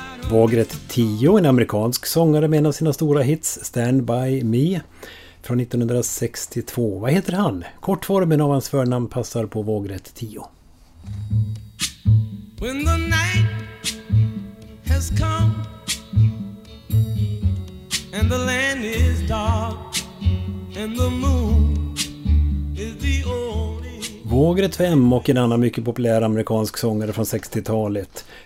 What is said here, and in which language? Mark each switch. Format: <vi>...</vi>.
<sv>Vågret 10, en amerikansk sångare med en av sina stora hits, Stand By Me, från 1962. Vad heter han? Kortformen av hans förnamn passar på Vågret 10.</sv> <en>When the night has come and the land is dark and the moon is the only...</en> <sv>Vågret 5 och en annan mycket populär amerikansk sångare från 60-talet.</sv>